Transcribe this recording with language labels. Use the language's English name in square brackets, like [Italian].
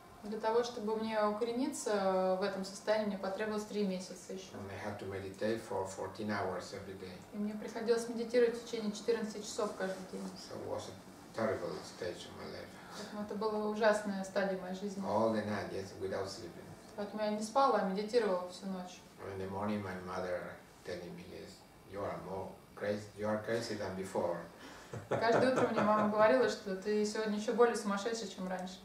[Russian] Для того, чтобы мне укорениться в этом состоянии, мне потребовалось 3 месяца еще. [English] And I had to meditate for 14 hours every day. [Russian] И мне приходилось медитировать в течение 14 часов каждый день. [English] So it was a terrible stage of my life. [Russian] Поэтому это была ужасная стадия моей жизни. [English] All the night, yes, without sleeping. [Russian] Поэтому я не спала, а медитировала всю ночь. [English] In the morning, my mother telling me, yes, you are more crazy, you are crazy than before. [Russian] Каждое утро мне мама говорила, что ты сегодня еще более сумасшедший, чем раньше.